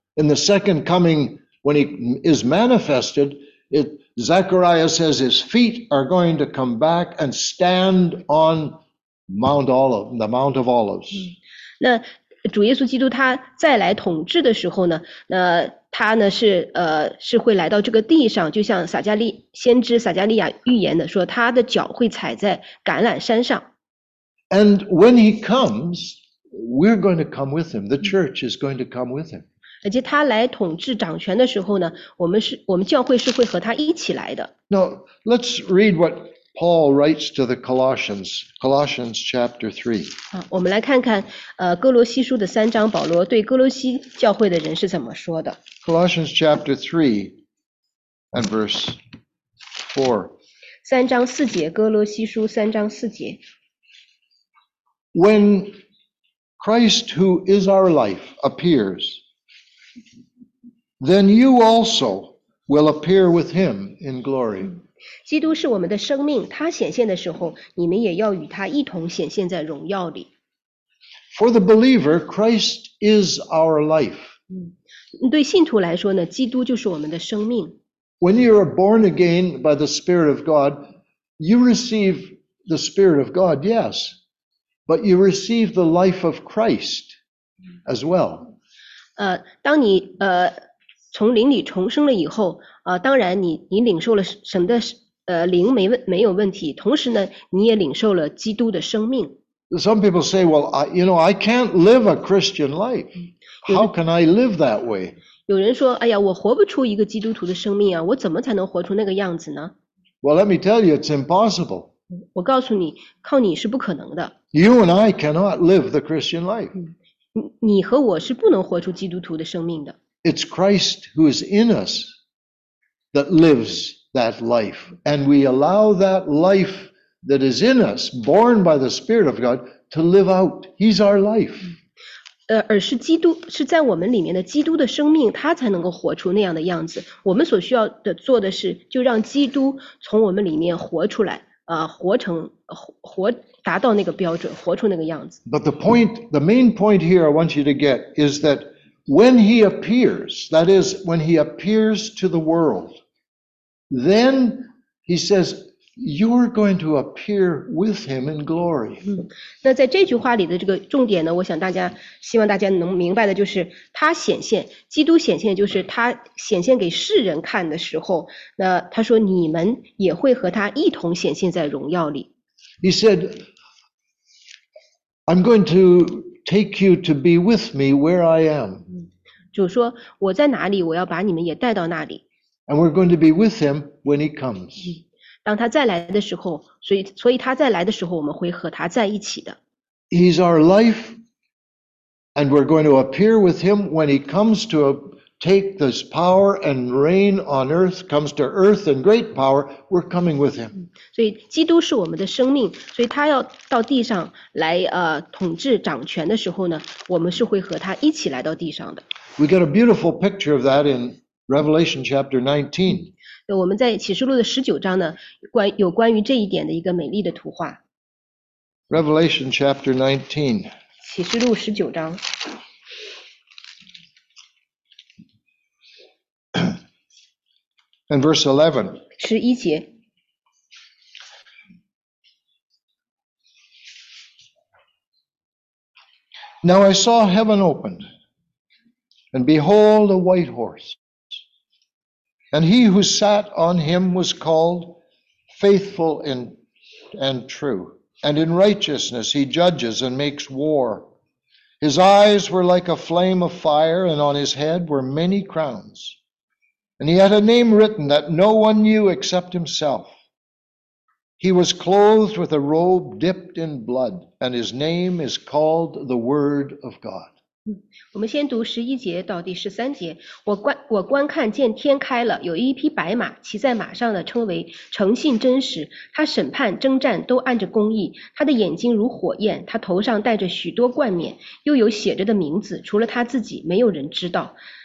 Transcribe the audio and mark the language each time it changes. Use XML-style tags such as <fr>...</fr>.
<en>In the second coming, when he is manifested, Zechariah says his feet are going to come back and stand on Mount Olive, the Mount of Olives.</en> <zh>那主耶稣基督他再来统治的时候呢，那他呢是会来到这个地上，就像撒迦利先知撒迦利亚预言的说，他的脚会踩在橄榄山上。</zh> <en>And when he comes, we're going to come with him. The church is going to come with him.</en> <zh>而且他来统治掌权的时候呢，我们教会是会和他一起来的。</zh> <en>Now, let's read what Paul writes to the Colossians, Colossians chapter 3.</en> <zh>我们来看看哥罗西书的三章，保罗对哥罗西教会的人是怎么说的。</zh> <en>Colossians chapter 3 and verse 4.</en> <zh>三章四节，哥罗西书三章四节。</zh> <en>When Christ, who is our life, appears, then you also will appear with him in glory.</en> <zh>基督是我们的生命，他显现的时候，你们也要与他一同显现在荣耀里。</zh> <en>For the believer, Christ is our life.</en> <zh>对信徒来说呢，基督就是我们的生命。</zh> <en>When you are born again by the Spirit of God, you receive the Spirit of God, yes, but you receive the life of Christ as well.</en> <zh>当你从灵里重生了以后，当然你领受了神的灵没有问题，同时呢，你也领受了基督的生命。</zh> <en>Some people say, "Well, I can't live a Christian life. How can I live that way?"</en> <zh>有人说，哎呀，我活不出一个基督徒的生命啊，我怎么才能活出那个样子呢</zh> <en>？Well, let me tell you, it's impossible.</en> <zh>我告诉你，靠你是不可能的。</zh> <en>You and I cannot live the Christian life.</en> <zh>你和我是不能活出基督徒的生命的。</zh> <en>It's Christ who is in us that lives that life, and we allow that life that is in us, born by the Spirit of God, to live out. He's our life.</en> <zh>而是基督是在我们里面的基督的生命，他才能够活出那样的样子。我们所需要的做的是，就让基督从我们里面活出来，活成活达到那个标准，活出那个样子。</zh> <en>But the point, the main point here, I want you to get is that when he appears, that is, when he appears to the world, then he says, you're going to appear with him in glory.</en> <zh>那在这句话里的这个重点呢，我想大家希望大家能明白的就是他显现，基督显现就是他显现给世人看的时候，那他说你们也会和他一同显现在荣耀里。</zh> <en>He said, I'm going to take you to be with me where I am.</en> <zh>主说我在哪里，我要把你们也带到那里。</zh> <en>And we're going to be with him when he comes.</en> <zh>当他再来的时候，所以他再来的时候，我们会和他在一起的。</zh> <en>He's our life, and we're going to appear with him when he comes to take this power and reign on earth, comes to earth in great power. We're coming with him.</en> <zh>所以基督是我们的生命，所以他要到地上来统治掌权的时候呢，我们是会和他一起来到地上的。</zh> <en>We got a beautiful picture of that in Revelation chapter 19.</en> <zh>我们在启示录的十九章呢，有关于这一点的一个美丽的图画。</zh> <en>Revelation chapter 19。</en> <zh>启示录十九章。</zh> <en>And verse 11。</en> <zh>十一节。</zh> <en>Now I saw heaven opened, and behold a white horse. And he who sat on him was called faithful and true. And in righteousness he judges and makes war. His eyes were like a flame of fire, and on his head were many crowns. And he had a name written that no one knew except himself. He was clothed with a robe dipped in blood, and his name is called the Word of God.</en> <zh>我们先读十一节到第十三节。我观看见天开了，有一匹白马，骑在马上的称为诚信真实。他审判征战都按着公义，他的眼睛如火焰，他头上戴着许多冠冕，又有写着的名字，除了他自己没有人知道。</zh>